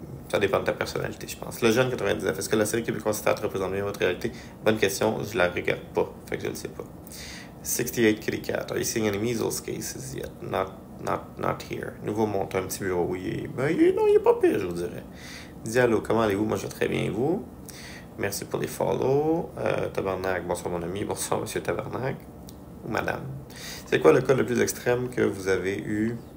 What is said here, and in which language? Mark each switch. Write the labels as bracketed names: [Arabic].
[French] Ça dépend de ta personnalité, je pense. Le jeune 99, est-ce que la série québécoise Stat représente bien votre réalité? Bonne question, je la regarde pas. Fait que je le sais pas. [English] 68 Kitty Cat, are you seeing any measles cases yet? Not here. [French] Nouveau montant, un petit bureau, oui. Ben, non, il n'est pas pire, je vous dirais. Diallo, comment allez-vous? Moi, je vais très bien, vous. Merci pour les follow. Tabarnak, bonsoir, mon ami. Bonsoir, monsieur Tabarnak. Ou madame. C'est quoi le cas le plus extrême que vous avez eu?